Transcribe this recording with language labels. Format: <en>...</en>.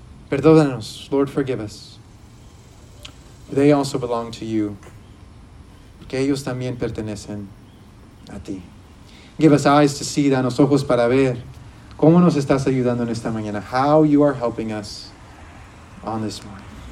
<es>Perdónanos.</es> <en>Lord, forgive us. They also belong to you.</en> <es>que ellos también pertenecen a ti.</es> <en>Give us eyes to see,</en> <es>danos ojos para ver cómo nos estás ayudando en esta mañana.</es> <en>How you are helping us on this morning.</en>